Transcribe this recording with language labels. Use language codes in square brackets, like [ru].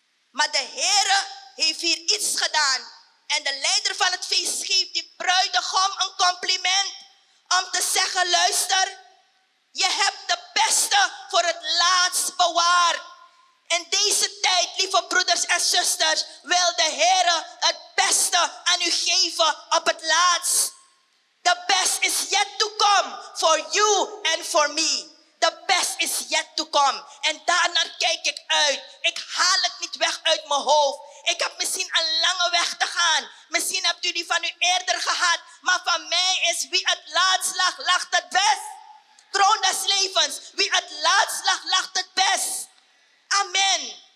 [nl] Maar de Heere heeft hier iets gedaan. En de leider van het feest geeft die bruidegom een compliment. Om te zeggen, luister. Je hebt de beste voor het laatst bewaard. In deze tijd, lieve broeders en zusters, wil de Heere het beste aan u geven op het laatst. [en] The best is yet to come for you and for me. The best is yet to come. [nl] En daarna kijk ik uit. Ik haal het niet weg uit mijn hoofd. Ik heb misschien een lange weg te gaan. Misschien hebt u die van u eerder gehad. Maar van mij is wie het laatst lag, lag het best. Troon naslavens, wie at laatst lacht het best. Amen.